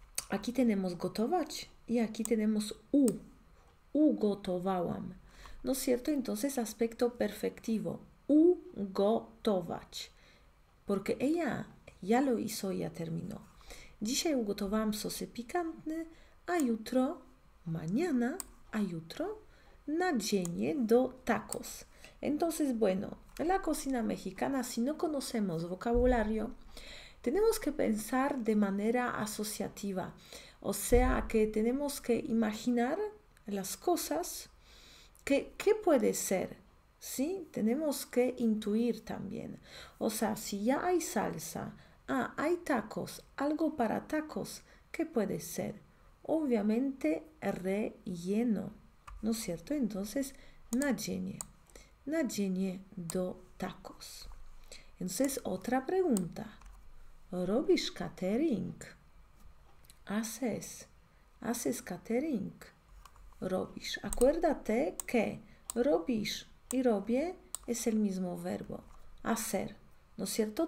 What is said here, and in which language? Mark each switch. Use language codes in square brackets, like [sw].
[es] Aquí tenemos gotować y aquí tenemos ugotowałam, ¿no es cierto? Entonces, aspecto perfectivo, ugotować, porque ella ya lo hizo, ya terminó. [pl] Dzisiaj ugotowałam sosy pikantne, a jutro, [es] mañana, [pl] a jutro, nadzienie do tacos. [es] Entonces, bueno, la cocina mexicana, si no conocemos vocabulario, tenemos que pensar de manera asociativa. O sea, que tenemos que imaginar las cosas, que qué puede ser, ¿sí? Tenemos que intuir también. O sea, si ya hay salsa, ah, hay tacos, algo para tacos. ¿Qué puede ser? Obviamente relleno, ¿no es cierto? Entonces, nadzienie, [pl] nadzienie do tacos. [es] Entonces, otra pregunta. [pl] ¿Robisz catering? [es] ¿Haces catering? ¿Robisz? Acuérdate que robisz y robię es el mismo verbo, hacer. ¿No es cierto?